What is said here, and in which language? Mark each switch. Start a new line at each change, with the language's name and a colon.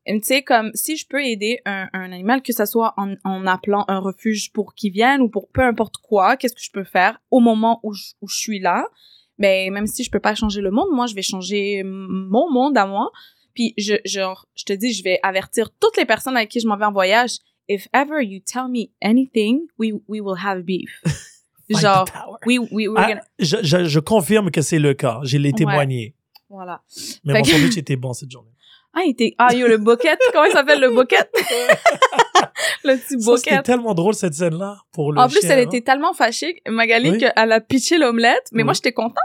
French: Tu sais, comme si je peux aider un animal, que ça soit en appelant un refuge pour qu'il vienne ou pour peu importe quoi, qu'est-ce que je peux faire au moment où je suis là, mais même si je peux pas changer le monde, moi, je vais changer mon monde à moi. Puis, je te dis, je vais avertir toutes les personnes avec qui je m'en vais en voyage.
English: If ever you tell me anything, we will have beef.
French: Genre, je confirme que c'est le cas. Je l'ai témoigné. Voilà. Mais mon sandwich était bon cette journée. Ah, yo, le bouquet. Comment il s'appelle, le bouquet? Le petit bouquet. C'était tellement drôle, cette scène-là, pour le chien. En plus, chien, elle était tellement fâchée, Magali, oui? Qu'elle a pitché l'omelette. Mais moi, j'étais contente.